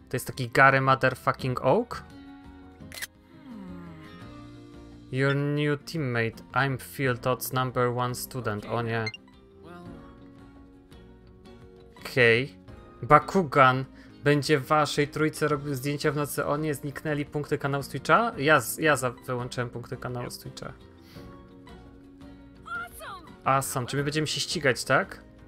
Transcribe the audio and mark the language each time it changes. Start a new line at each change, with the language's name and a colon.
Polish: To jest taki Gary Motherfucking Oak?
English: Your new teammate. I'm Phil Todd's number one student.
Polish: O nie. Okej. Bakugan będzie waszej trójce robił zdjęcia w nocy. O nie, zniknęli punkty kanału z Twitcha? Ja wyłączyłem punkty kanału z Twitcha. Awesome. Czy my będziemy się ścigać, tak?